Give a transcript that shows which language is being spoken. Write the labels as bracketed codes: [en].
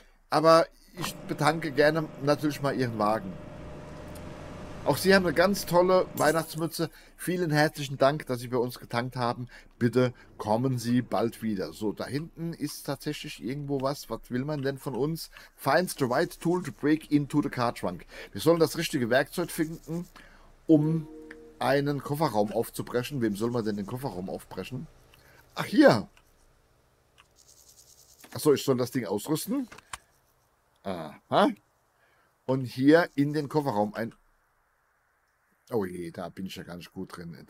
[de] Aber ich betanke gerne natürlich mal Ihren Wagen. Auch Sie haben eine ganz tolle Weihnachtsmütze. Vielen herzlichen Dank, dass Sie bei uns getankt haben. Bitte kommen Sie bald wieder. So, da hinten ist tatsächlich irgendwo was. Was will man denn von uns? [en] Find the right tool to break into the car trunk. [de] Wir sollen das richtige Werkzeug finden, um einen Kofferraum aufzubrechen. Wem soll man denn den Kofferraum aufbrechen? Ach, hier. Achso, ich soll das Ding ausrüsten. Aha. Und hier in den Kofferraum ein... Oh je, da bin ich ja gar nicht gut drin.